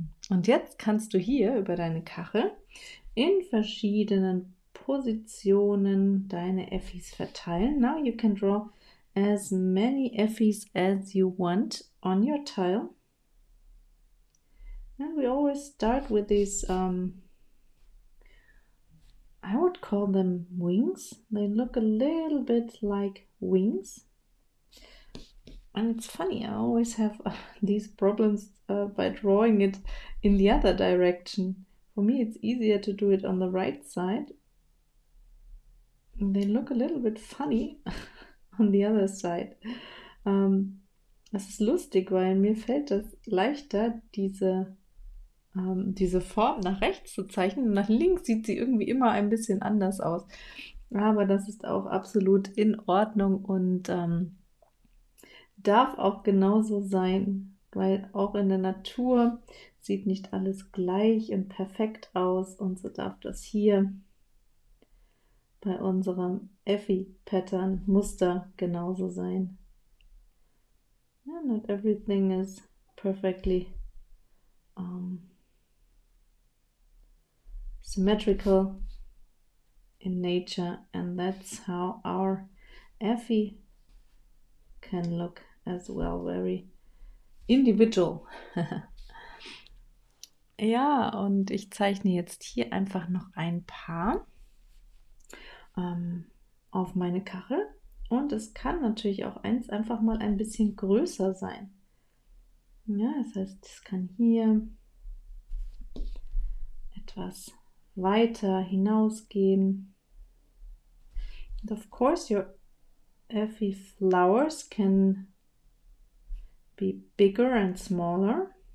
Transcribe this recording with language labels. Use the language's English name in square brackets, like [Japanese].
[German] Und jetzt kannst du hier über deine Kachel in verschiedenen Positionen deine Effies verteilen. [English] Now you can draw as many Effies as you want on your tile. And we always start with these, I would call them wings. They look a little bit like wings. And it's funny, I always have these problems by drawing it in the other direction. For me it's easier to do it on the right side. They look a little bit funny on the other side. [German] Es ist lustig, weil mir fällt es leichter, diese Form nach rechts zu zeichnen. Nach links sieht sie irgendwie immer ein bisschen anders aus. Aber das ist auch absolut in Ordnung und darf auch genauso sein, weil auch in der Natur sieht nicht alles gleich und perfekt aus. Und so darf das hier bei unserem Effie-Pattern-Muster genauso sein. [English] Yeah, not everything is perfectly symmetrical in nature, and that's how our Effie can look as well, very individual. [German] Ja, und ich zeichne jetzt hier einfach noch ein paar. auf meine Kachel. Und es kann natürlich auch eins einfach mal ein bisschen größer sein. Ja, das heißt, es kann hier etwas weiter hinausgehen. [English] And of course, your effi flowers can be bigger and smaller.